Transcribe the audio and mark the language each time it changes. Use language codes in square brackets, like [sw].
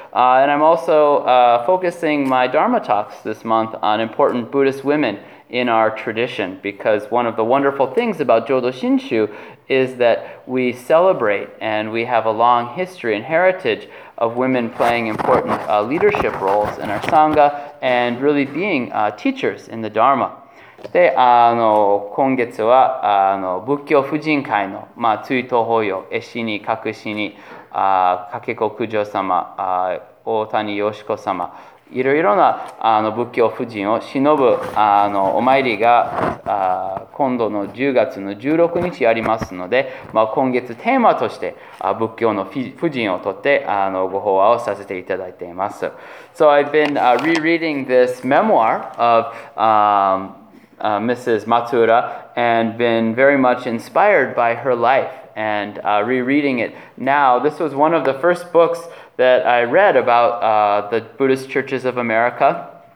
[en] And I'm also focusing my Dharma talks this month on important Buddhist women in our tradition, because one of the wonderful things about Jodo Shinshu is that we celebrate and we have a long history and heritage of women playing important leadership roles in our Sangha and really being teachers in the Dharma. [ja] で、今月は、仏教婦人会の、追悼法要、絵師に、隠しに、かけこくじょ様、大谷よしこ様、いろいろな、仏教婦人を忍ぶ、お参りが、今度の10月の16日ありますので、今月テーマとして、仏教の婦人をとって、ご法話をさせていただいています。 [en] So I've been, rereading this memoir of, Mrs. Matsuura, and been very much inspired by her life, and rereading it now. This was one of the first books that I read about the Buddhist churches of America.